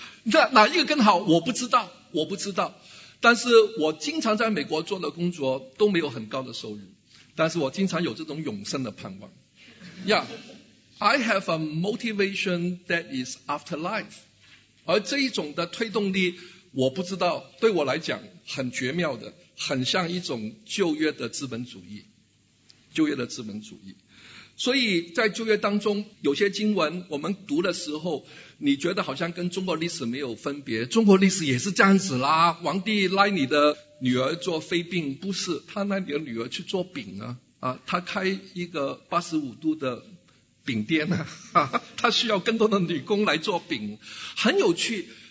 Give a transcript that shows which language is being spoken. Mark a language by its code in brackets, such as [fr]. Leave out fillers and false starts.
[zh] 哪一个更好我不知道，我不知道。但是我经常在美国做的工作都没有很高的收入，但是我经常有这种永生的盼望。 [en] Yeah, I have a motivation that is afterlife. [zh] 而这一种的推动力我不知道，对我来讲很绝妙的，很像一种旧约的资本主义，旧约的资本主义。所以在旧约当中有些经文我们读的时候你觉得好像跟中国历史没有分别，中国历史也是这样子啦，皇帝拉你的女儿做妃嫔，不是，他拉你的女儿去做饼啊，啊，他开一个85度的饼店啊，他需要更多的女工来做饼，很有趣。